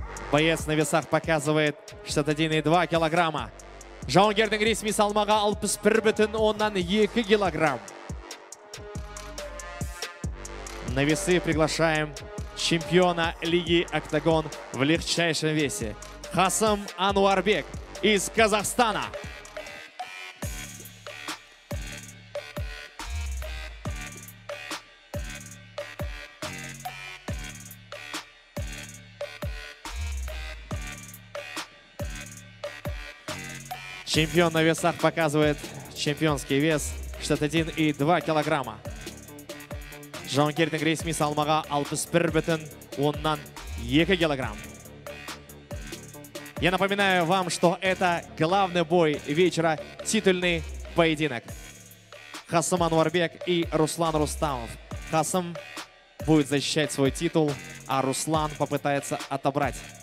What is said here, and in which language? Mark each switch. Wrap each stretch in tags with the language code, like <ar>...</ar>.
<ru>Боец на весах показывает 61,2 килограмма.</ru> <kk>Жаунгердің ресми салмағы 61,2 килограмм.</kk> <ru>На весы приглашаем чемпиона лиги «Октагон» в легчайшем весе. Хасым Ануарбек из Казахстана. Чемпион на весах показывает чемпионский вес 61,2 килограмма.</ru> <kk>Жаункердің ресми салмағы 61,2 килограмм.</kk> <ru>Я напоминаю вам, что это главный бой вечера, титульный поединок. Хасым Ануарбек и Руслан Рустамов. Хасым будет защищать свой титул, а Руслан попытается отобрать.</ru>